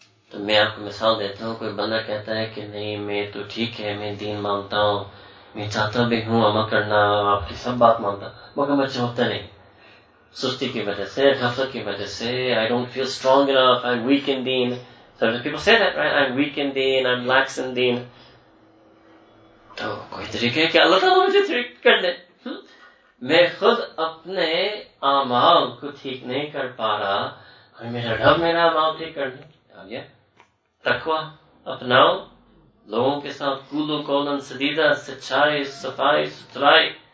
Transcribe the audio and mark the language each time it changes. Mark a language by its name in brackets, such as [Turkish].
[Urdu] تو میں آپ کو مثال دیتا ہوں، کوئی بندہ کہتا ہے کہ نہیں میں تو ٹھیک ہے، میں دین مانتا ہوں، میں چاہتا بھی ہوں عمل کرنا، آپ کی سب بات مانتا ہوں، مگر مجھے ہوتا نہیں، سستی کی وجہ سے، غفلت کی وجہ سے، [English] I don't feel strong enough, I'm weak in deen. Certain people say that, right? I'm weak in deen, I'm lax in deen. [Urdu] تو کوئی طریقہ ہے کہ اللہ تعالیٰ مجھے ٹھیک کر دے، میں خود اپنے اعمال کو ٹھیک نہیں کر پا رہا، میرا رب میرا اعمال ٹھیک کر دے. تقویٰ اپناؤ، لوگوں کے ساتھ کول و کولن سدیدہ، سچائی، صفائی، ستھرائی.